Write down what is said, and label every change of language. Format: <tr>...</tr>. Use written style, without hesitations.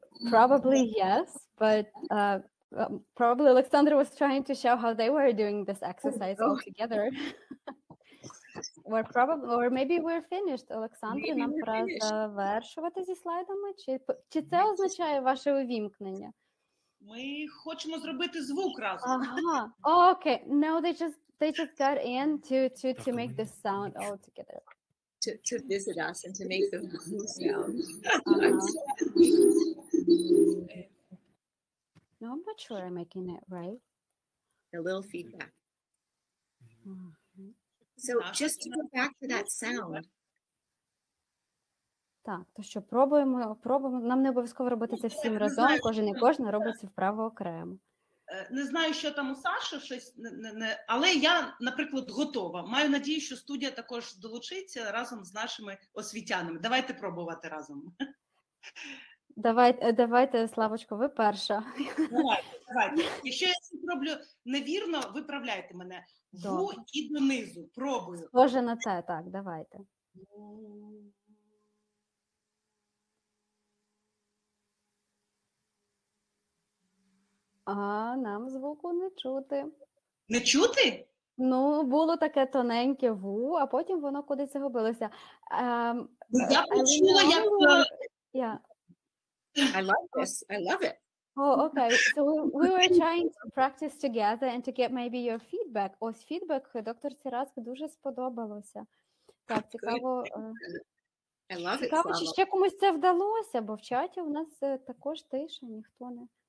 <en>Probably yes, but probably Alexander was trying to show how they were doing this exercise all together. Or maybe we're finished, Alexander.</en> <uk>Нам пора завершувати зі слайдами, чи це означає ваше увімкнення? Ми хочемо зробити звук разом.</uk> <en>Ага. Oh, okay. No, they just got in to make this sound all together. To visit us and to make the sound. No, I'm not sure I'm making it right. A little feedback. So just to go back to that sound.</en> <uk>Так, то що пробуємо. Нам не обов'язково робити це всім разом, кожен і кожна робить це вправо окремо. Не знаю, що там у Саші щось, не, але я, наприклад, готова. Маю надію, що студія також долучиться разом з нашими освітянами. Давайте пробувати разом. Давайте, Славочко, ви перша. Давайте. Якщо я зроблю невірно, виправляйте мене. Вгору і донизу. Пробую. Схоже на це, так, давайте. А нам звуку не чути. Не чути? Ну, було таке тоненьке ву, а потім воно кудись загубилося. Я почула, як...</uk> <en>I love this, I love it. Oh, okay. So we were trying to practice together and to get maybe your feedback.</en> <uk>Ось фідбек доктор Сірацьк дуже сподобалося. Так, цікаво.</uk> <en>I love</en> <uk>цікаво,</uk> <en>it, Слава.</en> <uk>Чи ще комусь це вдалося, бо в чаті у нас також тиша, ніхто не...</uk>